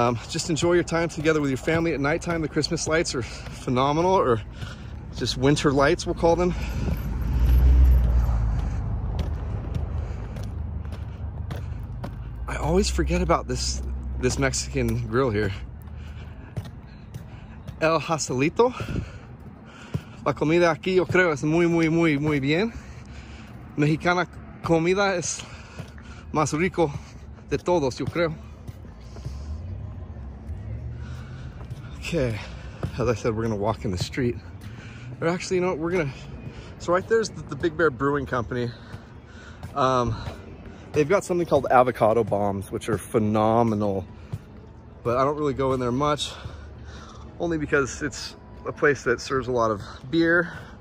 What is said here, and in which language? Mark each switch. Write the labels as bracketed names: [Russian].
[English] Just enjoy your time together with your family at nighttime. The Christmas lights are phenomenal, or just winter lights, we'll call them. I always forget about this Mexican grill here. El Jacalito. [Spanish] La comida aquí yo creo es muy, muy, muy, muy bien. Mexicana comida es más rico de todos, yo creo. [English] Okay, as I said, we're gonna walk in the street. Or actually, you know what, we're gonna... So right there's the Big Bear Brewing Company. They've got something called avocado bombs, which are phenomenal. But I don't really go in there much, only because it's a place that serves a lot of beer.